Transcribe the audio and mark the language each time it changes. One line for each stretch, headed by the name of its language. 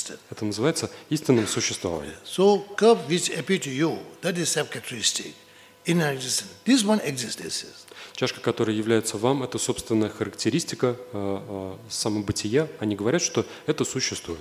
Russian: Это называется истинным существованием.
English: So, cup which appears to you, that is self-characteristic, in existence. This one exists, this is.
Russian: Чашка, которая является вам, это собственная характеристика самобытия. Они говорят, что это существует.